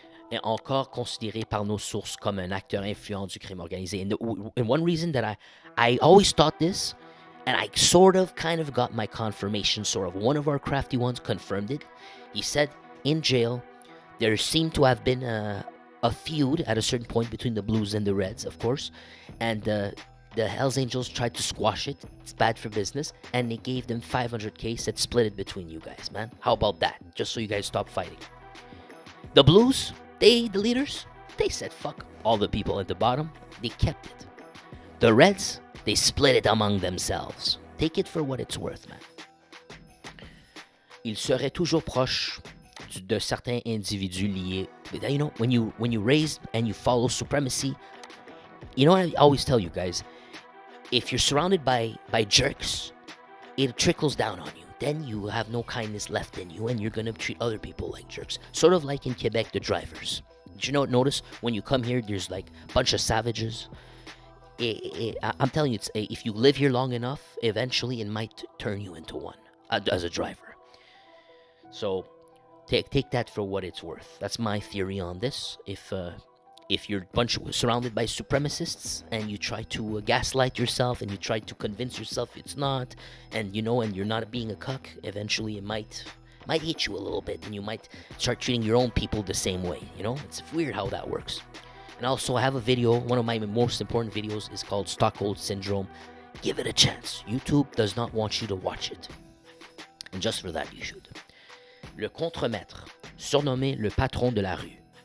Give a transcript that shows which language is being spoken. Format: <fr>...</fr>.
<fr>Et encore considéré par nos sources comme un acteur influent du crime organisé.</fr> <en>And one reason that I always thought this, and I sort of kind of got my confirmation, sort of one of our crafty ones confirmed it. He said, in jail, there seemed to have been a feud at a certain point between the Blues and the Reds, of course. And the Hells Angels tried to squash it. It's bad for business. And they gave them $500,000, said split it between you guys, man. How about that? Just so you guys stop fighting. The Blues, the leaders, said fuck all the people at the bottom. They kept it. The Reds, they split it among themselves. Take it for what it's worth, man.</en> <fr>Il serait toujours proche de certains individus liés.</fr> <en>But, you know, when you raise and you follow supremacy, you know what I always tell you guys? If you're surrounded by jerks, it trickles down on you. Then you have no kindness left in you and you're going to treat other people like jerks. Sort of like in Quebec, the drivers. Did you notice when you come here, there's like a bunch of savages? I'm telling you, if you live here long enough, eventually it might turn you into one as a driver. So take that for what it's worth. That's my theory on this. If you're surrounded by supremacists and you try to gaslight yourself and you try to convince yourself it's not, and you know, and you're not being a cuck, eventually it might eat you a little bit, and you might start treating your own people the same way. You know, it's weird how that works. And also, I have a video. One of my most important videos is called Stockholm Syndrome. Give it a chance. YouTube does not want you to watch it. And just for that, you should.</en> <fr>Le contremaître, surnommé le patron de la rue.</fr>